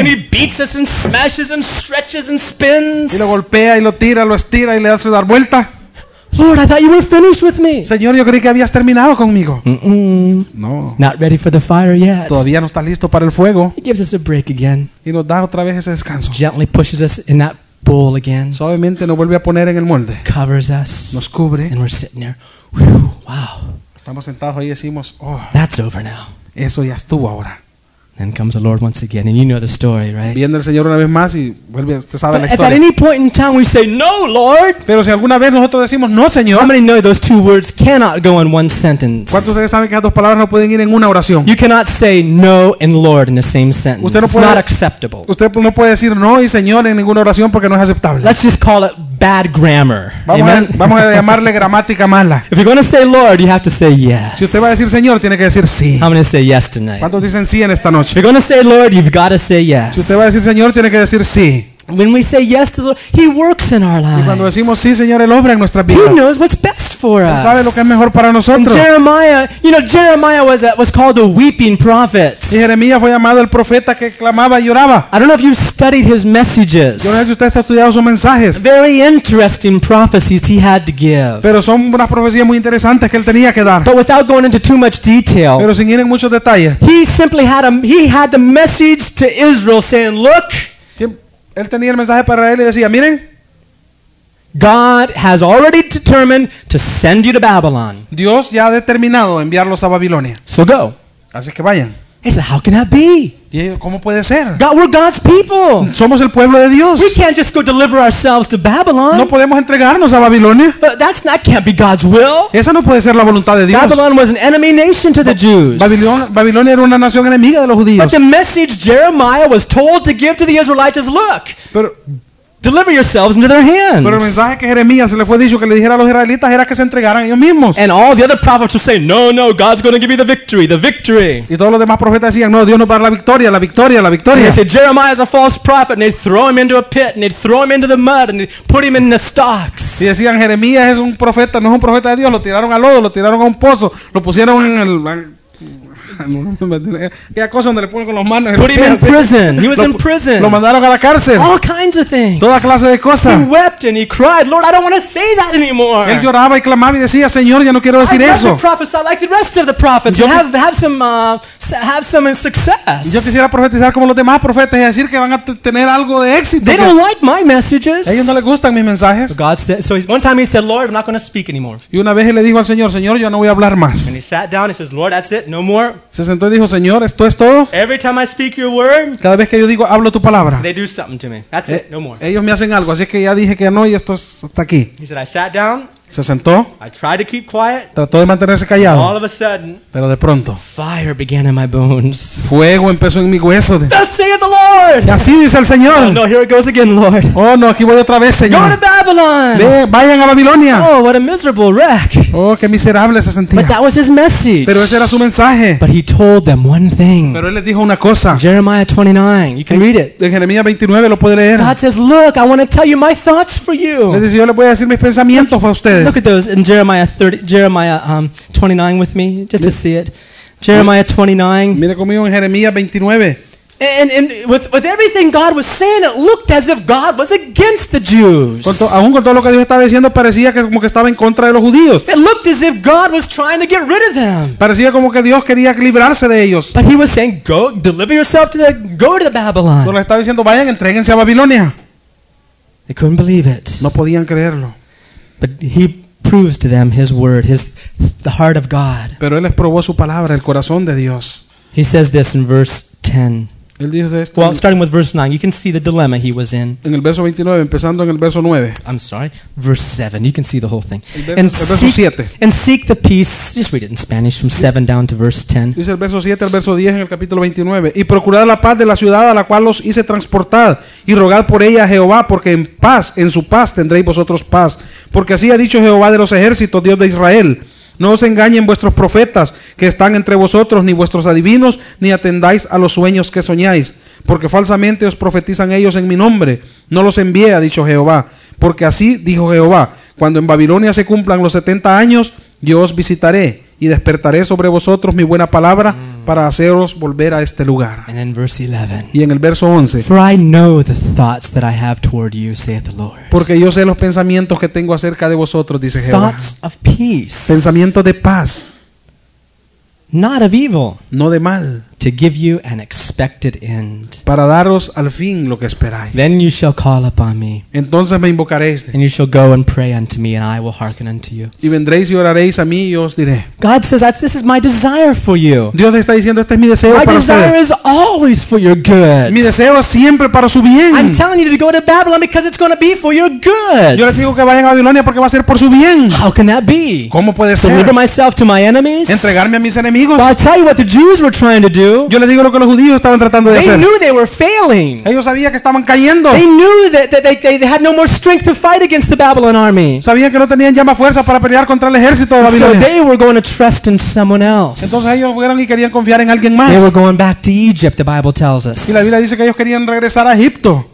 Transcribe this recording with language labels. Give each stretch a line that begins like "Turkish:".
English: And he beats us and smashes and stretches and spins.
Spanish: Y lo golpea y lo tira, lo estira y le hace dar vuelta.
English: Lord, I thought you were finished with me.
Spanish: Señor, yo creí que habías terminado conmigo. Mm-mm.
English: No. Not ready for the fire yet.
Spanish: Todavía no está listo para el fuego.
English: He gives us a break again.
Spanish: Y nos da otra vez ese descanso.
English: Gently pushes us in that bowl again.
Spanish: Suavemente nos vuelve a poner en el molde.
English: Covers us.
Spanish: Nos cubre.
English: And we're sitting there. Whew, wow.
Spanish: Estamos sentados ahí y decimos, oh.
English: That's over now.
Spanish: Eso ya estuvo ahora.
English: And comes the Lord once again, and you know the story, right?
Spanish: Viene el Señor una vez más y vuelve. Usted sabe
English: but
Spanish: la historia.
English: At any point in time, we say no, Lord.
Spanish: Pero si alguna vez nosotros decimos no, Señor.
English: How many know those two words cannot go in one sentence?
Spanish: ¿Cuántos de saben que esas dos palabras no pueden ir en una oración?
English: You cannot say no and Lord in the same sentence.
Spanish: Usted no puede,
English: it's not acceptable.
Spanish: Usted no puede decir no y Señor en ninguna oración porque no es aceptable.
English: Let's just call it bad grammar.
Spanish: Vamos a llamarle gramática mala.
English: If you're going to say Lord, you have to say yes.
Spanish: Si usted va a decir Señor, tiene que decir sí.
English: I'm going to say yes tonight.
Spanish: ¿Cuántos dicen sí en esta noche?
English: If you're going to say Lord, you've got to say yes.
Spanish: Si usted va a decir Señor, tiene que decir sí.
English: When we say yes to the Lord, He works in our lives.
Spanish: Y cuando decimos sí, Señor, Él obra en nuestra vida.
English: He knows what's best for us.
Spanish: Él sabe lo que es mejor para nosotros.
English: And Jeremiah, you know, Jeremiah was called a weeping prophet.
Spanish: Y Jeremías fue llamado el profeta que clamaba y lloraba.
English: I don't know if you've studied his messages.
Spanish: Yo no sé si usted ha estudiado sus mensajes.
English: Very interesting prophecies he had to give.
Spanish: Pero son unas profecías muy interesantes que él tenía que dar.
English: But without going into too much detail.
Spanish: Pero sin ir en muchos detalles.
English: He simply had the message to Israel saying, look.
Spanish: Él tenía el mensaje para él y decía, miren,
English: God has already determined to send you to Babylon.
Spanish: Dios ya ha determinado enviarlos a Babilonia.
English: So go.
Spanish: Así que vayan.
English: He said, how can that be?
Spanish: ¿Cómo puede ser?
English: God, we're God's people.
Spanish: Somos el pueblo de Dios.
English: We can't just go deliver ourselves to Babylon.
Spanish: No podemos entregarnos a Babilonia.
English: That can't be God's will.
Spanish: Esa no puede ser la voluntad de Dios.
English: Babylon was an enemy nation to the Jews.
Spanish: Babilonia era una nación enemiga de los judíos.
English: But the message Jeremiah was told to give to the Israelites is, look.
Spanish: Pero
English: deliver yourselves into their hands. And all the other prophets would say, no, no, God's going to give you the victory, the victory. And they said, Jeremiah is a false prophet, and they'd throw him into a pit, and they'd throw him into the mud, and they'd put him in the stocks.
Spanish: Y decían, Jeremías es un profeta, no es un profeta de Dios. Lo tiraron al lodo, lo tiraron a un pozo, lo pusieron en el...
English: Put him in prison. He was in prison.
Spanish: Lo mandaron a la cárcel.
English: All kinds of things.
Spanish: Toda clase de cosas.
English: He wept and he cried, Lord, I don't want to say that anymore.
Spanish: Él lloraba y clamaba y decía, Señor, ya no quiero decir eso.
English: I'd rather prophesy like the rest of the prophets. Yo have some success.
Spanish: Yo quisiera profetizar como los demás profetas y decir que van a tener algo de éxito.
English: They don't like my messages.
Spanish: Ellos no les gustan mis mensajes.
English: God said, so one time he said, Lord, I'm not going to speak anymore.
Spanish: Y una vez le dijo al Señor, Señor, yo no voy a hablar más.
English: And he sat down and says, Lord, that's it, no more.
Spanish: Se sentó y dijo, Señor, esto es todo.
English: Every time I speak your word,
Spanish: cada vez que yo digo, hablo tu palabra.
English: They do something to me. That's it, no more.
Spanish: Ellos me hacen algo, así que ya dije que no y esto es hasta aquí.
English: He said, I sat down.
Spanish: Se sentó.
English: I tried to keep quiet.
Spanish: Trató de mantenerse callado.
English: All of a sudden,
Spanish: pero de pronto,
English: fire began in my bones.
Spanish: Fuego empezó en mi hueso.
English: Thus saith the Lord.
Spanish: Y así dice el Señor.
English: Oh, no, here it goes again, Lord.
Spanish: Oh no, aquí voy otra vez, Señor.
English: Go to Babylon.
Spanish: Ve, vayan a Babilonia.
English: Oh, what a miserable wreck.
Spanish: Oh, qué miserable se sentía.
English: But that was his message.
Spanish: Pero ese era su mensaje.
English: But he told them one thing.
Spanish: Pero él les dijo una cosa.
English: Jeremiah 29. You can read it.
Spanish: En Jeremías 29 lo puede leer.
English: God says, "Look, I want to tell you my thoughts for you."
Spanish: Le dice, yo le voy a decir mis pensamientos para usted.
English: Look at those in Jeremiah 29 with me, just to see it. Jeremiah 29.
Spanish: Mira conmigo en Jeremías 29.
English: And with everything God was saying, it looked as if God was against the Jews.
Spanish: Aún con todo lo que Dios estaba diciendo, parecía que como que estaba en contra de los judíos.
English: It looked as if God was trying to get rid of them.
Spanish: Parecía como que Dios quería librarse de ellos.
English: But he was saying, go to Babylon.
Spanish: Pero le estaba diciendo, vayan, entréguense a Babilonia.
English: They couldn't believe it.
Spanish: No podían creerlo.
English: But he proves to them his word, the heart of God.
Spanish: Pero él les probó su palabra, el corazón de Dios.
English: He says this in verse 10.
Spanish: Él dice esto.
English: Well, starting with verse 9, you can see the dilemma he was in.
Spanish: En el verso 29, empezando en el verso 9.
English: I'm sorry, verse 7. You can see the whole thing.
Spanish: El verso
English: seek the peace. Just read it in Spanish from 7 down to verse 10.
Spanish: Dice el verso 7 al verso 10 en el capítulo 29. Y procurad la paz de la ciudad a la cual los hice transportar y rogad por ella a Jehová, porque en paz, en su paz tendréis vosotros paz. Porque así ha dicho Jehová de los ejércitos, Dios de Israel. No os engañen vuestros profetas que están entre vosotros, ni vuestros adivinos, ni atendáis a los sueños que soñáis. Porque falsamente os profetizan ellos en mi nombre. No los envié, ha dicho Jehová. Porque así dijo Jehová, cuando en Babilonia se cumplan los 70 años, yo os visitaré y despertaré sobre vosotros mi buena palabra para haceros volver a este lugar.
English: And then verse 11.
Spanish: Y en el verso 11.
English: For I know the thoughts that I have toward you, saith the Lord.
Spanish: Porque yo sé los pensamientos que tengo acerca de vosotros, dice Jehová.
English: Thoughts of peace.
Spanish: Pensamientos de paz.
English: Not of evil.
Spanish: No de mal.
English: To give you an expected end.
Spanish: Para daros al fin lo que esperáis.
English: Then you shall call upon me.
Spanish: Entonces me invocaréis.
English: And you shall go and pray unto me, and I will hearken unto you.
Spanish: Y vendréis y oraréis a mí y os diré.
English: God says, "This is my desire for you."
Spanish: Dios está diciendo, este es mi deseo para ustedes.
English: My desire is always for your good.
Spanish: Mi deseo es siempre para su bien.
English: I'm telling you to go to Babylon because it's going to be for your good.
Spanish: Yo les digo que vayan a Babilonia porque va a ser por su bien.
English: How can that be?
Spanish: ¿Cómo puede ser?
English: Deliver myself to my enemies?
Spanish: Entregarme a mis enemigos.
English: Well, I tell you what the Jews were trying to do.
Spanish: Yo le digo lo que los judíos estaban tratando de
English: they
Spanish: hacer.
English: Knew they were failing.
Spanish: Ellos sabían que estaban cayendo.
English: They knew that they had no more strength to fight against the Babylon army.
Spanish: Sabían que no tenían ya más fuerza para pelear contra el ejército de Babilonia.
English: So they were going to trust in someone else.
Spanish: Entonces ellos fueron y querían confiar en alguien más.
English: They were going back to Egypt, the Bible tells us.
Spanish: Y la Biblia dice que ellos querían regresar a Egipto.